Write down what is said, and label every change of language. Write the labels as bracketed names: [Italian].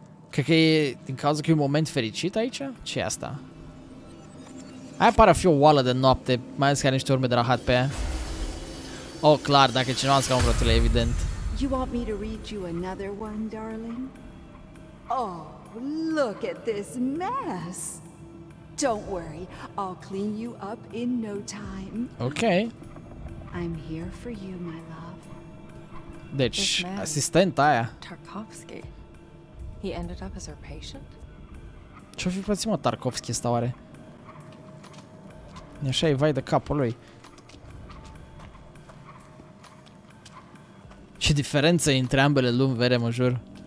[Romanian] Cred că e din cauza că e un moment fericit aici? Ce e asta? Aia pare a fi o oală de noapte, mai ales că are niște urme de rahat pe ea. Oh, clar, dacă cineva îți cam rotile, evident. [English] You want me to read you another one, darling? Oh, look at this mess! Don't worry, I'll clean you up in no time. Ok. I'm here for you, my love. [Romanian] Deci, asistenta aia. Tarkovsky. [English] He ended up as her patient. [Romanian] Ce-o fi plățit, mă, Tarkovsky ăsta oare? Așa e, vai de capul lui. Ce diferență între ambele lumi, vere, mă jur.